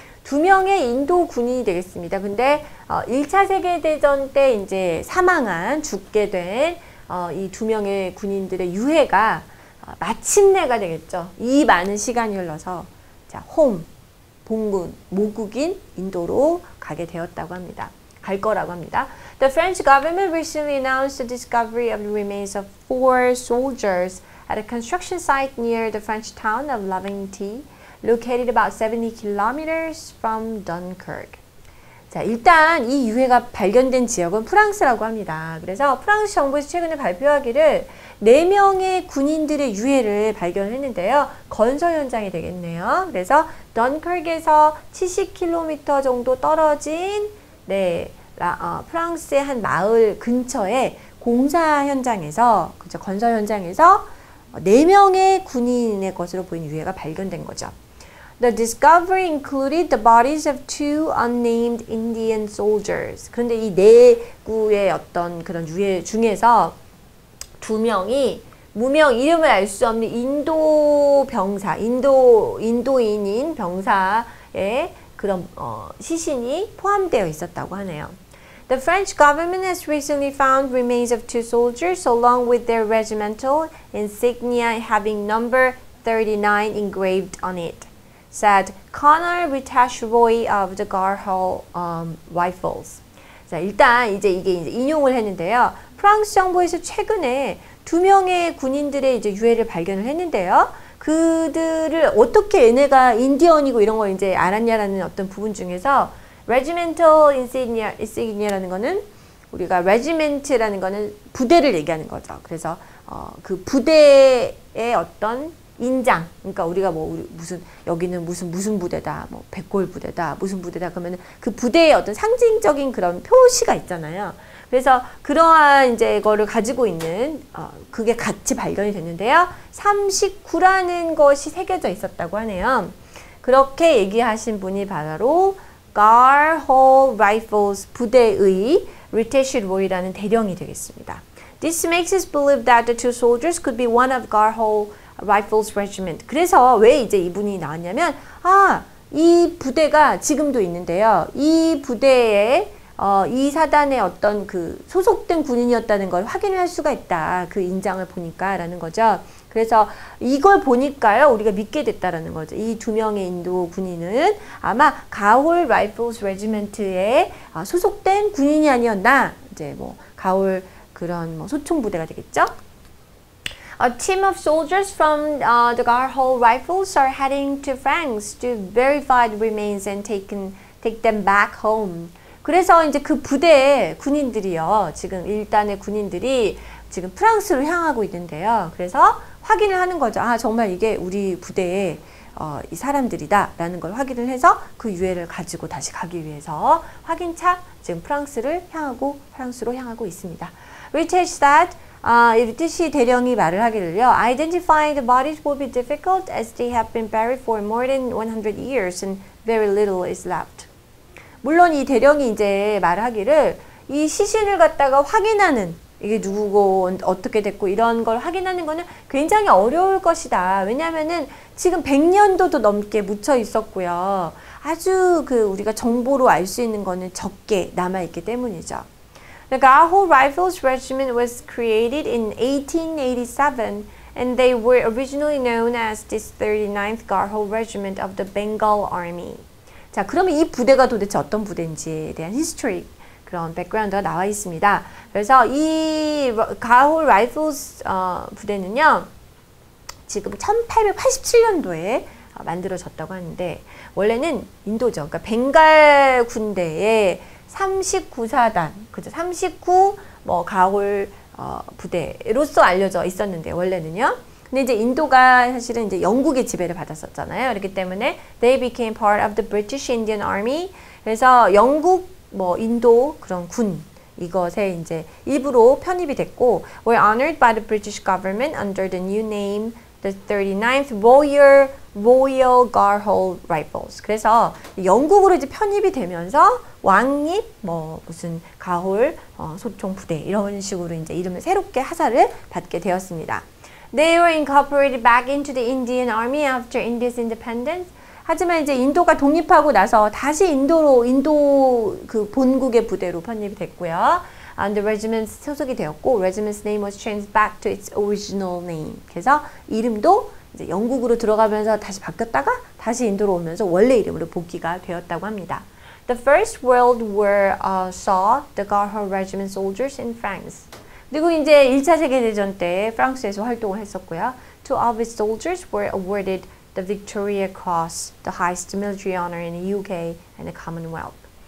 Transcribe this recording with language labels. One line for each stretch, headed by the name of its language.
Korean: 두 명의 인도 군인이 되겠습니다. 근데 1차 세계 대전 때 이제 사망한 죽게 된 이 두 명의 군인들의 유해가 마침내가 되겠죠. 이 많은 시간이 흘러서 자, 홈, 본군, 모국인 인도로 가게 되었다고 합니다. 갈 거라고 합니다.
English: The French government recently announced the discovery of the remains of four soldiers at a construction site near the French town of Laventie, located about 70 kilometers from Dunkirk.
Korean: 자, 일단 이 유해가 발견된 지역은 프랑스라고 합니다. 그래서 프랑스 정부에서 최근에 발표하기를 4명의 군인들의 유해를 발견했는데요. 건설 현장이 되겠네요. 그래서 던커크에서 70km 정도 떨어진 프랑스의 한 마을 근처에 공사 현장에서 그렇죠, 건설 현장에서 4명의 군인의 것으로 보이는 유해가 발견된 거죠.
English: The discovery included the bodies of two unnamed Indian soldiers.
Korean: 그런데 이 네 구의 어떤 그런 유해 중에서 두 명이 무명 이름을 알 수 없는 인도 병사, 인도인인 병사의 그런 시신이 포함되어 있었다고 하네요.
English: The French government has recently found remains of two soldiers along with their regimental insignia having number 39 engraved on it. said Colonel Ritesh Roy of the Garhwal Rifles.
Korean: 자, 일단 이제 이게 이제 인용을 했는데요. 프랑스 정부에서 최근에 두 명의 군인들의 이제 유해를 발견을 했는데요. 그들을 어떻게 얘네가 인디언이고 이런 걸 이제 알았냐라는 어떤 부분 중에서 regimental insignia라는 거는 우리가 regiment라는 거는 부대를 얘기하는 거죠. 그래서 그 부대의 어떤 인장, 그러니까 우리가 뭐 우리 무슨 여기는 무슨 부대다, 뭐 백골 부대다, 무슨 부대다 그러면 그 부대의 어떤 상징적인 그런 표시가 있잖아요. 그래서 그러한 이제 거를 가지고 있는 그게 같이 발견이 됐는데요. 39라는 것이 새겨져 있었다고 하네요. 그렇게 얘기하신 분이 바로 Garhwal Rifles 부대의 Ritesh Roy라는 대령이 되겠습니다.
English: This makes us believe that the two soldiers could be one of Garhwal Rifles Regiment.
Korean: 그래서 왜 이제 이분이 나왔냐면 아, 이 부대가 지금도 있는데요. 이 부대에 이 사단의 어떤 그 소속된 군인이었다는 걸 확인을 할 수가 있다. 그 인장을 보니까라는 거죠. 그래서 이걸 보니까요. 우리가 믿게 됐다라는 거죠. 이 두 명의 인도 군인은 아마 가홀 라이플스 레지먼트에 소속된 군인이 아니었나. 이제 뭐 가홀 그런 뭐 소총 부대가 되겠죠?
English: A team of soldiers from the Garhwal Rifles are heading to France to verify the remains and take them back home.
Korean: 그래서 이제 그 부대의 군인들이요. 지금 일단의 군인들이 지금 프랑스로 향하고 있는데요. 그래서 확인을 하는 거죠. 아, 정말 이게 우리 부대의 이 사람들이다라는 걸 확인을 해서 그 유해를 가지고 다시 가기 위해서 확인차 지금 프랑스로 향하고 있습니다.
English: Ritesh said,
Korean: Ritesh 대령이 말을 하기를요.
English: Identifying the bodies will be difficult as they have been buried for more than 100 years and very little is left.
Korean: 물론 이 대령이 이제 말하기를 이 시신을 갖다가 확인하는 이게 누구고 어떻게 됐고 이런 걸 확인하는 거는 굉장히 어려울 것이다. 왜냐하면은 지금 100년도 더 넘게 묻혀 있었고요. 아주 그 우리가 정보로 알 수 있는 거는 적게 남아있기 때문이죠.
English: The Garhwal Rifles Regiment was created in 1887 and they were originally known as this 39th Garhwal Regiment of the Bengal Army.
Korean: 자, 그러면 이 부대가 도대체 어떤 부대인지에 대한 히스토리, 그런 백그라운드가 나와 있습니다. 그래서 이 가홀 라이플스 부대는요, 지금 1887년도에 만들어졌다고 하는데, 원래는 인도죠. 그러니까 벵갈 군대의 39사단, 그죠? 39 뭐 가골 부대로서 알려져 있었는데, 원래는요. 근데 이제 인도가 사실은 이제 영국의 지배를 받았었잖아요. 그렇기 때문에
English: they became part of the British Indian Army.
Korean: 그래서 영국 뭐 인도 그런 군 이것에 이제 일부로 편입이 됐고,
English: were honored by the British government under the new name the 39th Royal Garhol Rifles.
Korean: 그래서 영국으로 이제 편입이 되면서 왕립 뭐 무슨 가홀 소총 부대 이런 식으로 이제 이름을 새롭게 하사를 받게 되었습니다.
English: They were incorporated back into the Indian Army after India's independence.
Korean: 하지만 이제 인도가 독립하고 나서 다시 인도 그 본국의 부대로 편입이 됐고요.
English: And the regiment
Korean: 소속이 되었고,
English: regiment's name was changed back to its original name.
Korean: 그래서 이름도 이제 영국으로 들어가면서 다시 바뀌었다가 다시 인도로 오면서 원래 이름으로 복귀가 되었다고 합니다.
English: The First World War saw the Garhol Regiment soldiers in France.
Korean: 그리고 이제 1차 세계대전 때 프랑스에서 활동을 했었고요.
English: Two of its soldiers were awarded the Victoria Cross, the highest military honor in the UK and the Commonwealth.